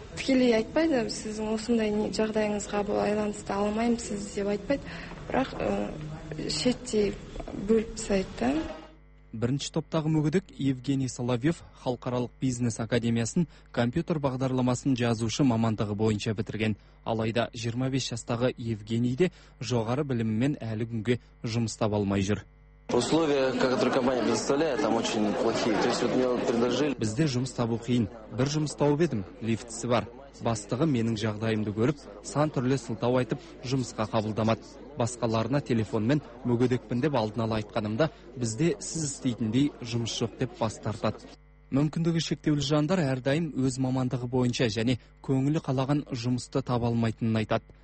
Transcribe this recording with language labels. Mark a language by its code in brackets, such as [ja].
[kk] Тікелей айтпайды, сіздің осындай жағдайыңызға бұл айланысты алмаймын сіз деп айтпайды, бірақ шеттей бөліп сайтты. Бірінші топтағы мүгедек Евгений Соловьев Халықаралық бизнес академиясын компьютер бағдарламасын жазушы мамандығы бойынша бітірген. Алайда 25 жастағы Евгений де жоғары білімімен әлі күнге жұмыс таба алмай жүр. [ru] Условия, которые компания предоставляет, там очень плохие. То есть вот мне предложили. [kk] Бізде жұмыс табу қиын. Бір жұмыс тауып едім, лифтісі бар. Бастығы менің жағдайымды көріп, сан түрлі сылтау айтып, жұмысқа қабылдамады. Басқаларына телефонмен мүгедекпін деп алдын ала айтқанымда, бізде сіз істейтіндей жұмыс жоқ деп бас тартады. Мүмкіндігі шектеулі жандар әрдайым өз мамандығы бойынша және көңілі қалаған жұмысты таба алмайтынын айтады.